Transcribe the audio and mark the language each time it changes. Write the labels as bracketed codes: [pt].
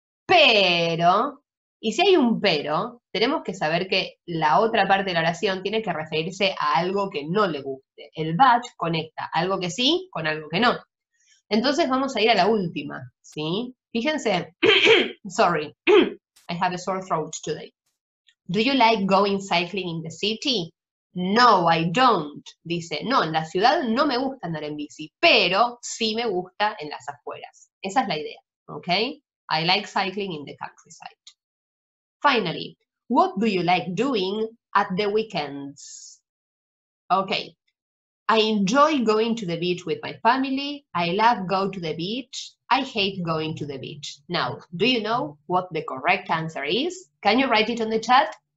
[es] Pero, y si hay un pero, tenemos que saber que la otra parte de la oración tiene que referirse a algo que no le guste. El but conecta algo que sí con algo que no. Entonces vamos a ir a la última, ¿sí? [en] Fíjense, sorry, I have a sore throat today. Do you like going cycling in the city? No, I don't, dice. [es] No, en la ciudad no me gusta andar en bici, pero sí me gusta en las afueras. Esa es la idea, [en] ¿ok? I like cycling in the countryside. Finally, what do you like doing at the weekends? Okay, I enjoy going to the beach with my family. I love go to the beach. I hate going to the beach. Now, do you know what the correct answer is? Can you write it on the chat?